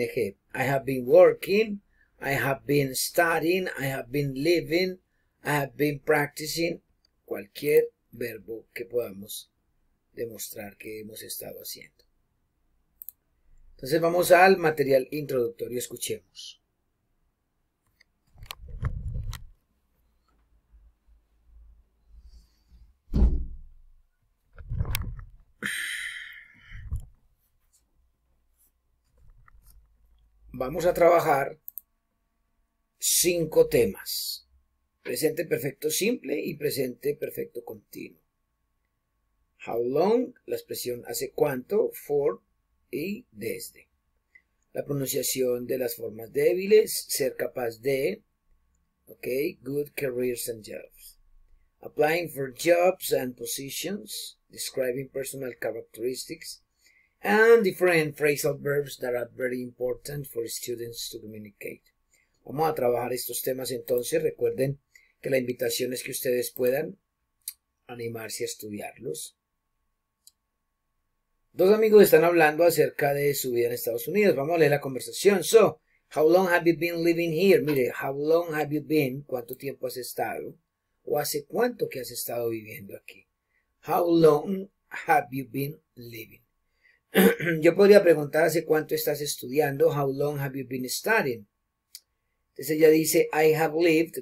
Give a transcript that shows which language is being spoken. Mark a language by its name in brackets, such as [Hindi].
[English] I have been working, I have been studying, I have been living, I have been practicing. [Spanish] Cualquier verbo que podamos demostrar que hemos estado haciendo. Entonces vamos al material introductorio. Escuchemos. Vamos a trabajar cinco temas. Presente perfecto simple y presente perfecto continuo. [English] How long, [Spanish] la expresión hace cuánto, for y desde. La pronunciación de las formas débiles, ser capaz de. [English] Ok, good careers and jobs. Applying for jobs and positions, describing personal characteristics. And different phrasal verbs that are very important for students to communicate. [Spanish] Vamos a trabajar estos temas entonces. Recuerden que la invitación es que ustedes puedan animarse a estudiarlos. Dos amigos están hablando acerca de su vida en Estados Unidos. Vamos a leer la conversación. [English] So, how long have you been living here? [Spanish] Mire, [English] how long have you been? [Spanish] ¿Cuánto tiempo has estado? ¿O hace cuánto que has estado viviendo aquí? [English] How long have you been living? [Spanish] Yo podría preguntar, ¿hace cuánto estás estudiando? [English] How long have you been studying? [Spanish] Entonces ella dice, [English] I have lived.